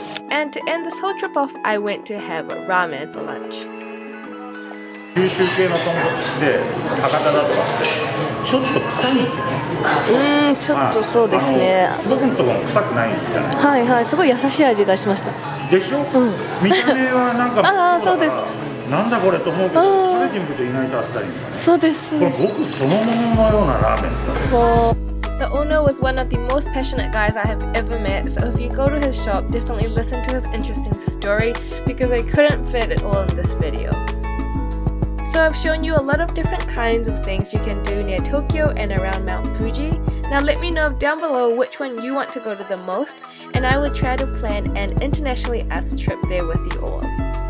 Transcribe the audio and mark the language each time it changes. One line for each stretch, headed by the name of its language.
English: And to end this whole trip off, I went to have a ramen for lunch.
Japanese: 九州系の豚骨で博多だとかってちょっと臭いんですよね。ちょっとそうですね。どこのとこも臭くないんですよね。はいはい、すごい優しい味がしました。でしょ、うん、見た目はなんかああそうです。なんだこれと思うけど、それで見ると意外とあっさり、ね、そうです。これ僕そのもののようなラーメンだ。
English: The owner was one of the most passionate guys I have ever met, so if you go to his shop, definitely listen to his interesting story because I couldn't fit it all in this video. So I've shown you a lot of different kinds of things you can do near Tokyo and around Mount Fuji. Now let me know down below which one you want to go to the most, and I will try to plan an internationally asked trip there with you all.